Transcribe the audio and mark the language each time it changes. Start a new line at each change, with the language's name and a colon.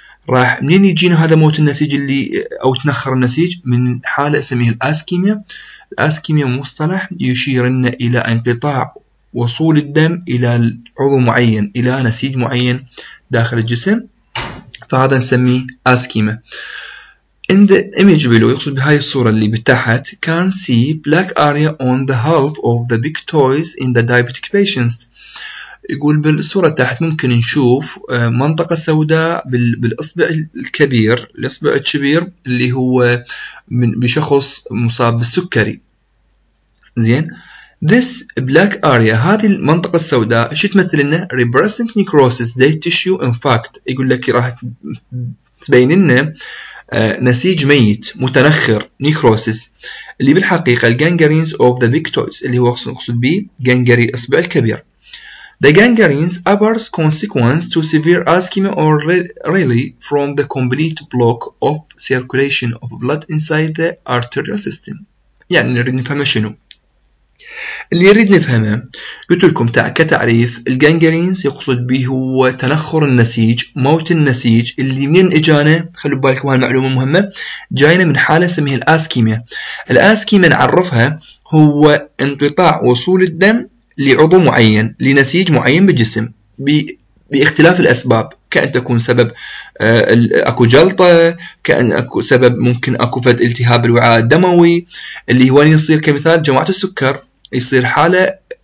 Arabic: راح منين يجينا هذا موت النسيج اللي او تنخر النسيج؟ من حاله اسميها الاسكيميا. الاسكيميا مصطلح يشير لنا الى انقطاع وصول الدم الى عضو معين، الى نسيج معين داخل الجسم، فهذا نسميه اسكيميا.
English: In the image below
Arabic: يقصد بهاي الصوره اللي بتحت،
English: can see black area on the half of the big toes in the diabetic patients.
Arabic: يقول بالصورة تحت ممكن نشوف منطقة سوداء بالإصبع الكبير، الإصبع الكبير اللي هو من بشخص مصاب بالسكري. زين،
English: this black area،
Arabic: هذه المنطقة السوداء شو تمثل لنا؟
English: represent necrosis dead tissue in fact.
Arabic: يقول لك راح تبين لنا نسيج ميت متنخر، نيكروسيس اللي بالحقيقه
English: الجانجرينز of the big toes
Arabic: اللي هو اقصد به جانجري الاصبع الكبير.
English: The gangrenes appears consequence to severe ischemia or really from the complete block of circulation of blood inside the arterial system.
Arabic: يعني نريد نفهم شنو اللي يريد نفهمه. قلت لكم كتعريف الجانجرينز يقصد به هو تنخر النسيج، موت النسيج اللي منين اجانا؟ خلوا بالكم هاي المعلومه مهمه، جاينا من حاله اسمها الاسكيميا. الاسكيميا نعرفها هو انقطاع وصول الدم لعضو معين، لنسيج معين بالجسم باختلاف الاسباب، كان تكون سبب اكو جلطه، كان اكو سبب ممكن اكو فد التهاب الوعاء الدموي، اللي هو يصير كمثال جماعه السكر، يصير حاله